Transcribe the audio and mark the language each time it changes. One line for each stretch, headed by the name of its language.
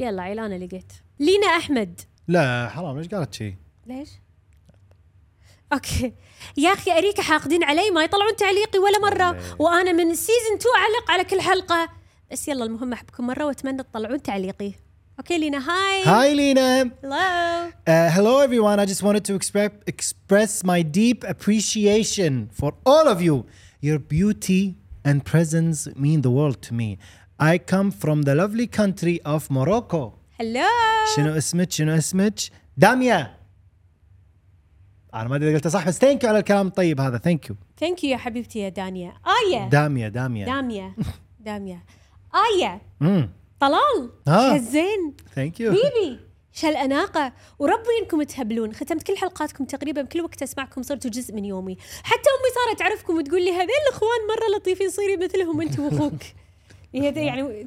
Arabic: يلا عيل أنا لقيت. لينا أحمد. لا حرام ليش قالت شيء. ليش؟ أوكي يا أخي أريك حاقدين علي ما يطلعون تعليقي ولا مرة وأنا من سيزن 2 أعلق على كل حلقة. بس يلا المهم أحبكم مرة وأتمنى تطلعون تعليقي.
English: Okay, Lena. Hi, Lena. Hello. Hello, everyone. I just wanted to express my deep appreciation for all of you. Your beauty and presence mean the world to me. I come from the lovely country of Morocco. Hello.
Arabic: شنو اسمك؟ شنو اسمك؟ داميا. أنا ما أدري إذا قلت صح بس
English: thank you
Arabic: على الكلام الطيب هذا.
English: Thank you. Thank you
Arabic: يا حبيبتي يا دانيا. آية. داميا داميا. داميا داميا. آية. طلال شهزين بيبي شال أناقة وربي إنكم تهبلون ختمت كل حلقاتكم تقريبا بكل وقت أسمعكم صرتوا جزء من يومي حتى أمي صارت تعرفكم وتقول لي هذين الأخوان مرة لطيفين صيري مثلهم أنتم وأخوك يعني